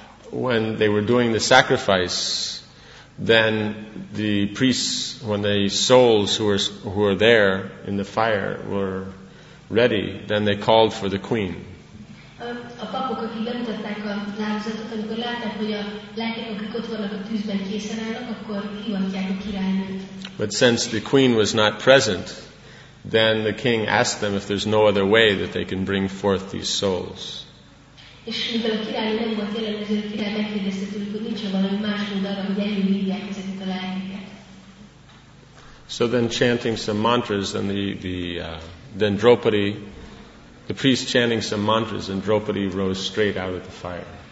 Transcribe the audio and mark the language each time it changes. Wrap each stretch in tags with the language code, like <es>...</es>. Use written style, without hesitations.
<en>When they were doing the sacrifice, then the priests, when the souls who were there in the fire were ready, then they called for the queen.</en> <hu>A papok, akik bemutatták a lázatot, amikor látták, hogy a lelkek, akik ott vannak a tűzben készen állnak, akkor hívatják a királynőt.</hu> <en>But since the queen was not present, then the king asked them if there's no other way that they can bring forth these souls.</en> <hu>És mivel a királynő nem volt jelen, ezért a király megkérdezte tőlük, hogy nincs-e valami más mód arra, hogy előhívják ezeket a lelkeket.</hu> <en>So then chanting some mantras, and then Draupadi, the priest chanting some mantras, and Draupadi rose straight out of the fire.</en>